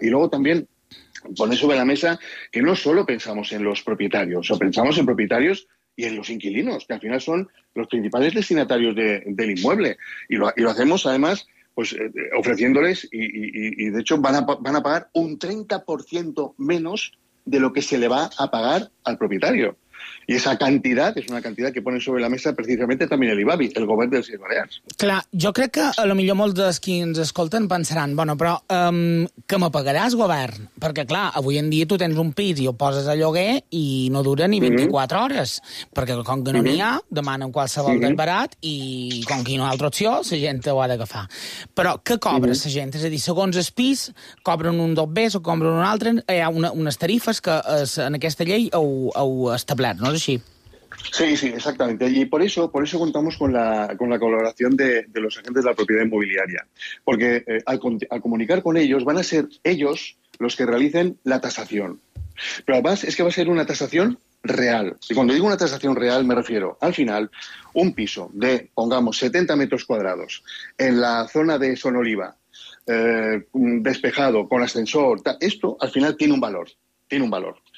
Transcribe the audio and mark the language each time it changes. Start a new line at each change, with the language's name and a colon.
Spanish: Y luego también poner sobre la mesa que no solo pensamos en los propietarios, o pensamos en propietarios y en los inquilinos, que al final son los principales destinatarios del inmueble. Y lo hacemos además pues ofreciéndoles, y de hecho van a pagar un 30% menos de lo que se le va a pagar al propietario. Y esa cantidad es una cantidad que ponen sobre la mesa precisamente también el IBABI, el govern dels Illes Balears.
Catalan: Clar, jo crec que a lo millor molts dels qui ens escolten pensaran, bueno, però que me pagaràs, govern? Perquè, clar, avui en dia tu tens un pis i ho poses a lloguer i no dura ni 24 hores. Perquè com que no n'hi ha, demanen qualsevol del barat i com que hi ha una altra opció, la gent ho ha d'agafar. Però què cobra la gent? És a dir, segons el pis, cobren un dels bes o cobren un altre, hi ha unes tarifes que en aquesta llei heu establert, no?
Spanish: Sí, exactamente. Y por eso contamos con la colaboración de los agentes de la propiedad inmobiliaria. Porque al comunicar con ellos, van a ser ellos los que realicen la tasación. Pero además es que va a ser una tasación real. Y cuando digo una tasación real, me refiero al final, un piso de, pongamos, 70 metros cuadrados en la zona de Sonoliva, despejado, con ascensor, esto al final tiene un valor. Tiene un valor.